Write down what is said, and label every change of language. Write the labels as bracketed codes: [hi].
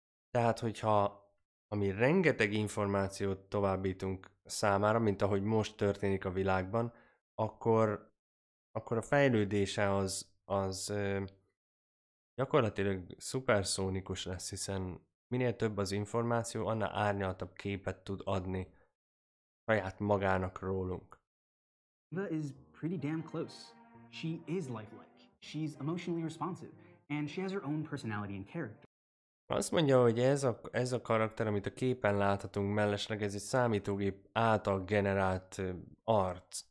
[hu] Tehát, hogyha ami rengeteg információt továbbítunk számára, mint ahogy most történik a világban, akkor a fejlődése az gyakorlatilag szuperszónikus lesz, hiszen minél több az információ, annál árnyaltabb képet tud adni saját magának rólunk. [en] Eva is pretty damn close. She is lifelike. She's emotionally responsive, and she has her own personality and character. [hu] Azt mondja, hogy ez a karakter, amit a képen láthatunk mellesleg, ez egy számítógép által generált arc.